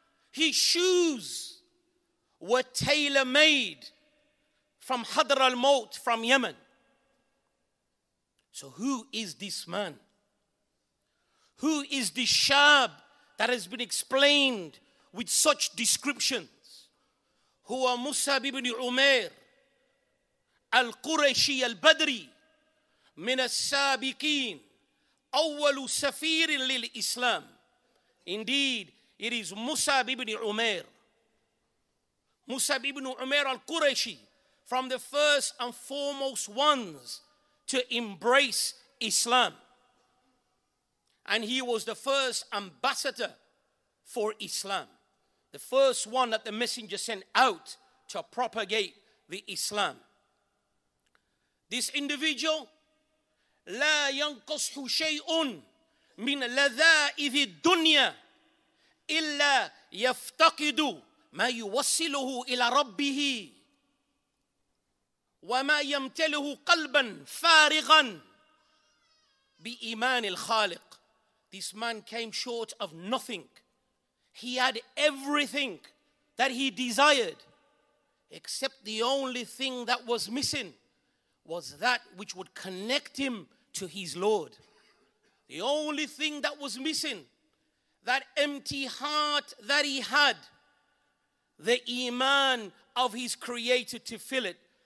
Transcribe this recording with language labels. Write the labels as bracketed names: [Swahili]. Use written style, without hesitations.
[English] His shoes were tailor-made from Hadr al-Mawt from Yemen. So who is this man? Who is this shab that has been explained with such description? [Arabic] هو مصعب بن عمير القرشي البدري من السابقين أول سفير للإسلام. [English] Indeed, it is Musab ibn Umair. Musab ibn Umair al-Qurayshi, from the first and foremost ones to embrace Islam. And he was the first ambassador for Islam. The first one that the messenger sent out to propagate the Islam. This individual, [Arabic] لا ينقصه شيء من لذائذ الدنيا إلا يفتقد ما يوصله إلى ربه وما يمتله قلبا فارغا بإيمان الخالق. [English] This man came short of nothing. He had everything that he desired, except the only thing that was missing was that which would connect him to his Lord. The only thing that was missing, that empty heart that he had, the iman of his creator to fill it.